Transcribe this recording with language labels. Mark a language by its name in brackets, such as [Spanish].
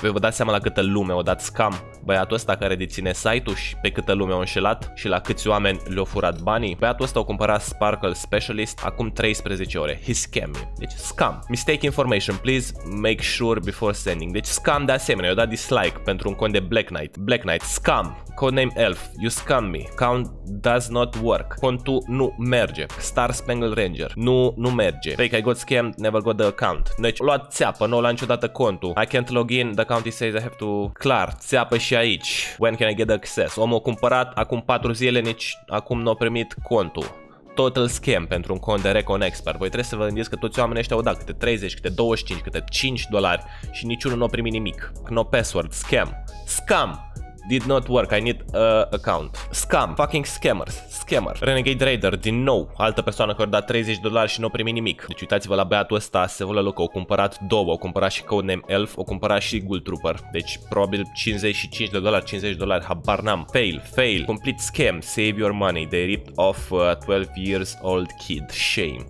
[Romanian] Voi vă dați seama la câtă lume o dat scam băiatul ăsta care deține site-ul și pe câtă lume a înșelat și la câți oameni le-au furat banii? Băiatul ăsta a cumpărat Sparkle Specialist acum 13 ore. [English] He scammed me. [Romanian] Deci scam. [English] Mistake information, please make sure before sending. [Romanian] Deci scam de asemenea. I-a dat dislike pentru un cont de Black Knight. Black Knight, scam. [English] Codename Elf, you scam me. Count does not work. [Romanian] Contul nu merge. Star Spangled Ranger, nu merge. [English] Fake, I got scammed, never got the account. [Romanian] Deci a luat țeapă, nu a luat niciodată contul. [English] I can't log in, the county says I have to. [Romanian] Clar, țeapă și aici. [English] When can I get access? [Romanian] Omul a cumpărat acum 4 zile, nici acum n-a primit contul. Total scam pentru un cont de Recon Expert. Voi trebuie să vă gândiți că toți oamenii ăștia au dat câte 30, câte 25, câte $5 și niciunul n-a primit nimic. [English] No password, scam. Scam! Did not work, I need a account. Scam, fucking scammers, scammer. [Romanian] Renegade Raider, din nou, altă persoană care a dat $30 și nu a primit nimic. Deci uitați-vă la băiatul ăsta, se vă loc, au cumpărat două, au cumpărat și Codename Elf, au cumpărat și Gold Trooper. Deci probabil $55, $50, habar n-am. [English] Fail, fail, complete scam, save your money, they ripped off a 12 years old kid, shame.